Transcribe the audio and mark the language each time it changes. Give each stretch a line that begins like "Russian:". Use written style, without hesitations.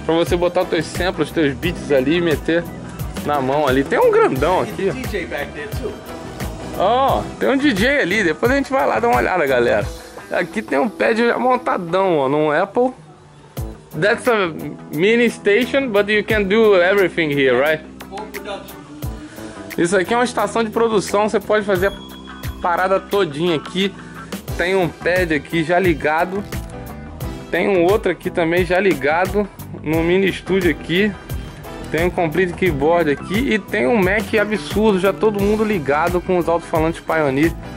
Portuguese: Pra você botar os teus samples, os teus beats ali e meter na mão ali. Tem um grandão aqui. Tem um
English: DJ back there too.
Portuguese: Oh, tem um DJ ali. Depois a gente vai lá dar uma olhada, galera. Aqui tem um pad já montadão, ó, num Apple.
English: That's a mini station, but you can do everything here, right?
Portuguese: Isso aqui é uma estação de produção, você pode fazer a parada todinha aqui. Tem um pad aqui já ligado. Tem um outro aqui também já ligado no mini estúdio aqui. Tem um
English: complete keyboard
Portuguese: aqui e tem um Mac absurdo, já todo mundo ligado com os alto-falantes Pioneer.